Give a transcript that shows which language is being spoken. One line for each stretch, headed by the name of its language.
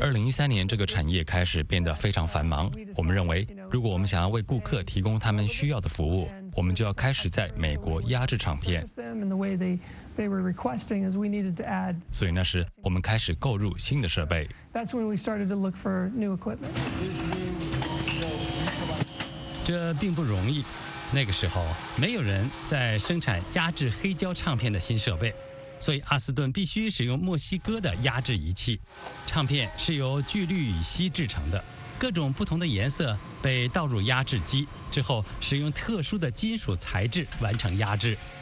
Chinese: 2013年这个产业开始变得非常繁忙。我们认为，如果我们想要为顾客提供他们需要的服务，我们就要开始在美国压制唱片。所以那时我们开始购入新的设备。
English: That's when we started to look for new equipment.
Chinese: 这并不容易。那个时候，没有人在生产压制黑胶唱片的新设备。所以阿斯顿必须使用墨西哥的压制仪器，唱片是由聚氯乙烯制成的，各种不同的颜色被倒入压制机，之后使用特殊的金属材质完成压制。